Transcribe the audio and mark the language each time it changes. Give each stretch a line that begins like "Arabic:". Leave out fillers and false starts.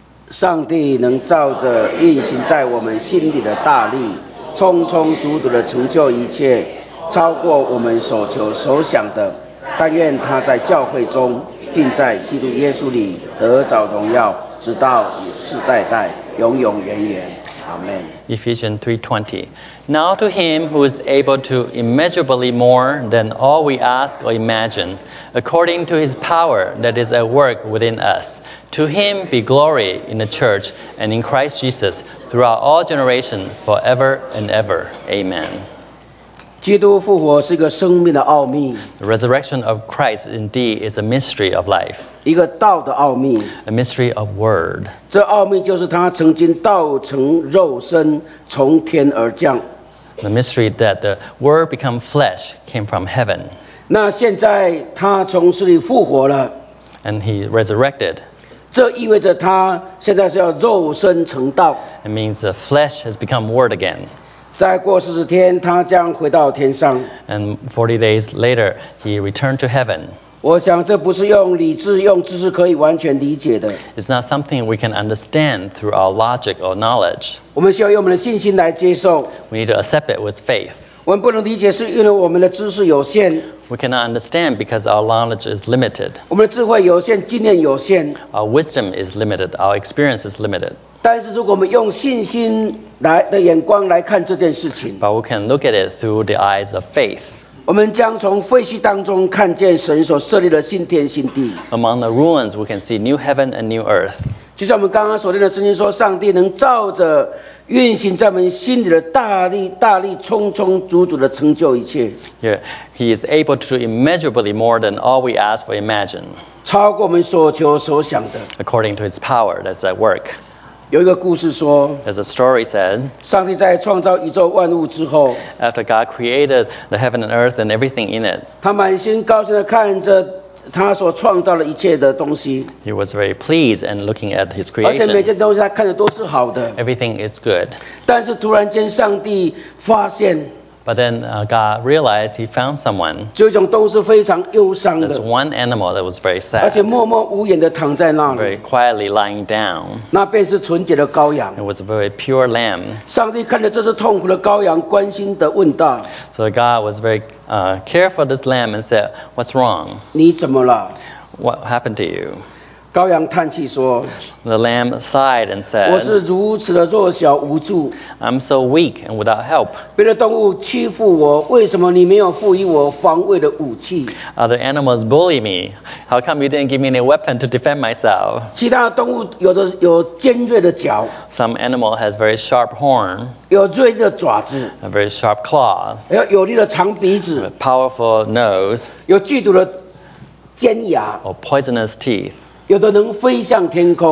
Chinese: 上帝能照着运行在我们心里的大力，充充足足的成就一切，超过我们所求所想的。但愿他在教会中，并在基督耶稣里得着荣耀，直到世代代，永永远远。
English: Amen. Ephesians 3:20. Now to him who is able to immeasurably more than all we ask or imagine, according to his power that is at work within us, to him be glory in the church and in Christ Jesus throughout all generations forever and ever. Amen.
Chinese: 基督复活是一个生命的奥秘。
English: The resurrection of Christ indeed is a mystery of life.
Chinese: 一个道的奥秘
English: ，a mystery of word。
Chinese: 这奥秘就是他曾经道成肉身，从天而降。
English: The mystery that the word become flesh came from heaven。
Chinese: 那现在他从死里复活了
English: ，and he resurrected。
Chinese: 这意味着他现在是要肉身成道。
English: It means the flesh has become word again。
Chinese: 再过四十天，他将回到天上。
English: And 40 days later, he returned to heaven。
Chinese: 我想这不是用理智用知识可以完全理解的。
English: It's not something we can understand through our logic or knowledge.
Chinese: 我们需要用我们的信心来接受。
English: We need to accept it with faith.
Chinese: 我们不能理解是因为我们的知识有限。
English: We cannot understand because our knowledge is limited.
Chinese: 我们的智慧有限，经验有限。
English: Our wisdom is limited, our experience is limited.
Chinese: 但是如果我们用信心来的眼光来看这件事情。
English: But we can look at it through the eyes of faith.
Chinese: 我们将从废墟当中看见神所设立的新天新地。
English: Among the ruins, we can see new heaven and new earth.
Chinese: 就像我们刚刚所念的圣经说，上帝能照着运行在我们心里的大力，充充足足的成就一切。
English: Yeah, he is able to do immeasurably more than all we ask or imagine.
Chinese: 超过我们所求所想的。
English: According to his power that's at work.
Chinese: 有一个故事说
English: ，As a story said，
Chinese: 上帝在创造宇宙万物之后
English: ，After God created the heaven and earth and everything in it，
Chinese: 他满心高兴地看着他所创造的一切的东西。
English: He was very pleased and looking at his creation。
Chinese: 而且每件东西他看的都是好的。
English: Everything is good。
Chinese: 但是突然间，上帝发现。
English: But then God realized he found someone.
Chinese: 这种都是非常忧伤的。
English: There's one animal that was very sad.
Chinese: 而且默默无言地躺在那里。
English: Very quietly lying down.
Chinese: 那便是纯洁的羔羊。
English: It was a very pure lamb.
Chinese: 上帝看着这只痛苦的羔羊，关心地问道。
English: So God was very careful this lamb and said, "What's wrong?
Chinese: 你怎么了？
English: What happened to you?"
Chinese: 羔羊叹气说
English: ，The lamb sighed and said，
Chinese: 我是如此的弱小无助
English: ，I'm so weak and without help。
Chinese: 别的动物欺负我，为什么你没有赋予我防卫的武器
English: ？Other animals bully me. How come you didn't give me any weapon to defend myself？
Chinese: 其他动物有的有尖锐的角
English: ，Some animal has very sharp horn。
Chinese: 有锐的爪子
English: ，A very sharp claws。
Chinese: 有力的长鼻子
English: ，A powerful nose。
Chinese: 有剧毒的尖牙
English: ，Or poisonous teeth。
Chinese: 有的能飞向天空